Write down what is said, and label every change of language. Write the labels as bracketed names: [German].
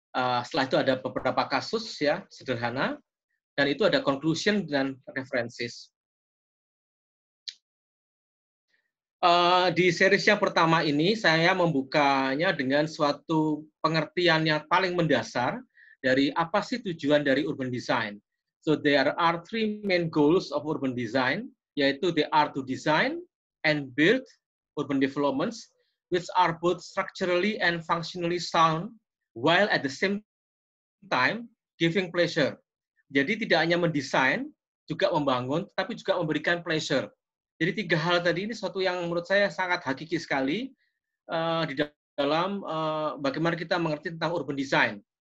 [Indonesian] Setelah itu ada beberapa kasus ya sederhana, dan itu ada conclusion dan references. Di series yang pertama ini, saya membukanya dengan suatu pengertian yang paling mendasar dari apa sih tujuan dari urban design. [English] So there are three main goals of urban design, [Indonesian] yaitu [English] they are to design and build urban developments which are both structurally and functionally sound while at the same time giving pleasure. [Indonesian] Jadi tidak hanya mendesain, juga membangun, tapi juga memberikan pleasure. Jadi tiga hal tadi ini suatu yang menurut saya sangat hakiki sekali di dalam bagaimana kita mengerti tentang urban design.